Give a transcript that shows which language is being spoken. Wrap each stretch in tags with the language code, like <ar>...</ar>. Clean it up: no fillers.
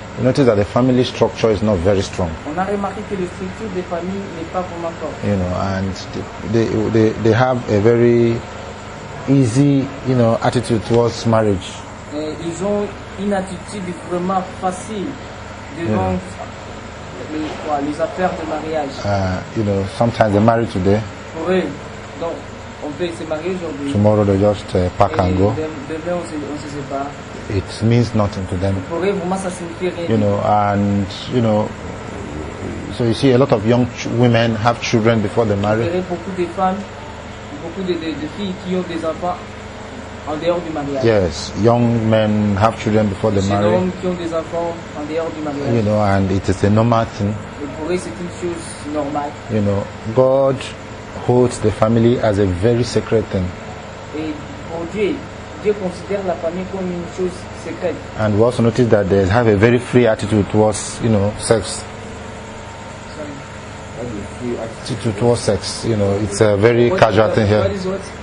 <en>You notice that the family structure is not very strong.</en> <fr>On a remarqué que la structure des familles n'est pas vraiment forte.</fr> <en>You know, and they have a very easy, you know, attitude towards marriage.</en> <fr>Et ils ont une attitude vraiment facile devant. Yeah. Les affaires de mariage.</fr> <en>You know, sometimes they marry today.</en> <fr>Oui. Donc, on peut se marier aujourd'hui.</fr> <en>Tomorrow they just pack and go.</en> <fr>Demain, on se sépare.</fr> <en>It means nothing to them.</en> <fr>Pour eux, vraiment, ça signifie rien.</fr> <en>You know, and you know, so you see a lot of young women have children before they marry.</en> <fr>Vous verrez beaucoup de femmes, beaucoup de filles qui ont des enfants en dehors du mariage.</fr> <en>Yes, young men have children before they marry.</en> <fr>Hommes qui ont des enfants en dehors du mariage.</fr> <en>You know, and it is a normal thing.</en> <fr>Et pour eux, c'est une chose normale.</fr> <en>You know, God holds the family as a very sacred thing.</en> <fr>Et pour Dieu considère la famille comme une chose secrète.</fr> <en>And we also notice that they have a very free attitude towards, you know, sex. Attitude towards sex, you know, it's a very casual thing here.</en>